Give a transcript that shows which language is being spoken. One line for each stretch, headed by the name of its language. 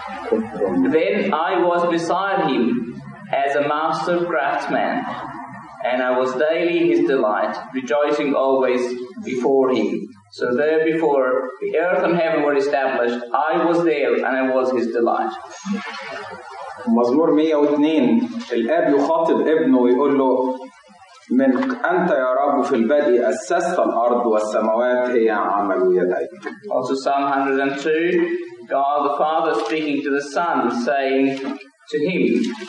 English: Then I was beside him as a master craftsman, and I was daily his delight, rejoicing always before him. So there before the earth and heaven were established, I was there and I was his delight.
Arabic: مزمور 102 الآب يخاطب ابنه ويقول له من أنت يا رب في البدء أسست الأرض والسماوات هي عمل يديك.
English: Also Psalm 102, God the Father speaking to the Son, saying to him.